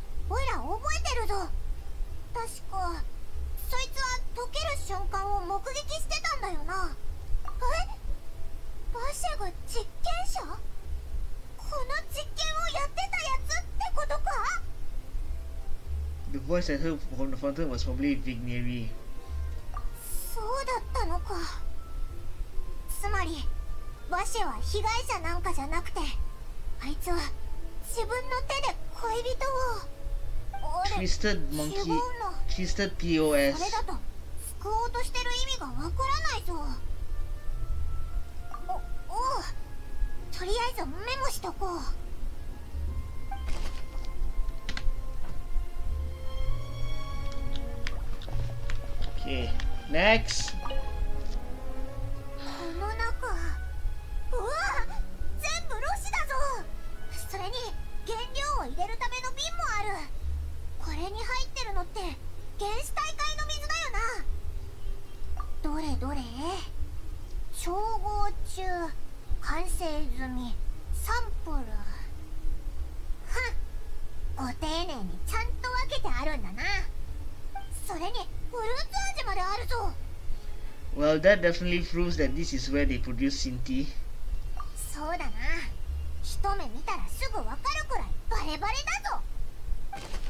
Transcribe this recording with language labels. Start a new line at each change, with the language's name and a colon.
Japanese: おいら覚えてるぞ。確かそいつは溶ける瞬間を目撃してたんだよな。え、バシャが実験者？この実験をやってたやつってことか？
English: The voice I heard from the fountain was probably Vigneri.
Japanese: そうだったのか。つまり、バシェは被害者なんかじゃなくて、あいつは自分の手で恋人を。
English: twisted monkey, twisted POS.
Japanese: あれだと救おうとしてる意味がわからないぞ。おう、とりあえずメモしとこう。
English: Okay, next.
Japanese: この中、うわ、全部ロシだぞ。それに原料を入れるための瓶もある。これに入ってるのって原子大会の水だよな。どれどれ。調合中、完成済み、サンプル。ふん、ご丁寧にちゃんと分けてあるんだな。それにフルーツ味まであるぞ。
English: Well, that definitely proves that this is where they produce Sinti.
Japanese: そうだな。一目見たらすぐわかるくらいバレバレだぞ。